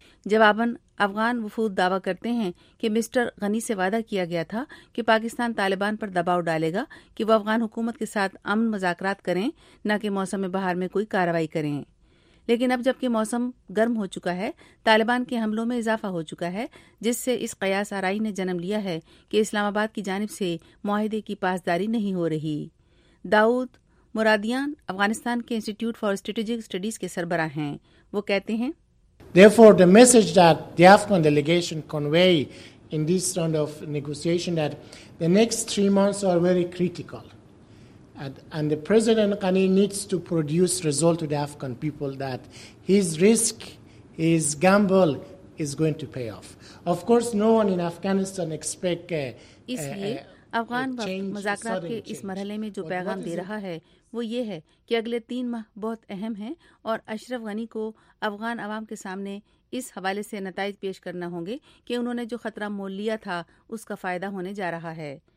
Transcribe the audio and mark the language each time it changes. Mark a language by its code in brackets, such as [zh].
[ur] جواباً افغان وفود دعویٰ کرتے ہیں کہ مسٹر غنی سے وعدہ کیا گیا تھا کہ پاکستان طالبان پر دباؤ ڈالے گا کہ وہ افغان حکومت کے ساتھ امن مذاکرات کریں، نہ کہ موسم بہار میں کوئی کارروائی کریں۔ لیکن اب جبکہ موسم گرم ہو چکا ہے، طالبان کے حملوں میں اضافہ ہو چکا ہے، جس سے اس قیاس آرائی نے جنم لیا ہے کہ اسلام آباد کی جانب سے معاہدے کی پاسداری نہیں ہو رہی۔ داؤد مرادیان افغانستان کے انسٹیٹیوٹ فار اسٹریٹجک اسٹڈیز کے سربراہ ہیں، وہ کہتے ہیں [en] Therefore, the message that the Afghan delegation convey in this round of negotiation that the next 3 months are very critical and the President Ghani needs to produce result to the Afghan people that his risk, his gamble is going to pay off. Of course, no one in Afghanistan expect a [ur] Afghan مذاکرات کے اس مرحلے میں جو پیغام دے رہا ہے وہ یہ ہے کہ اگلے 3 ماہ بہت اہم ہیں، اور اشرف غنی کو افغان عوام کے سامنے اس حوالے سے نتائج پیش کرنا ہوں گے کہ انہوں نے جو خطرہ مول لیا تھا اس کا فائدہ ہونے جا رہا ہے۔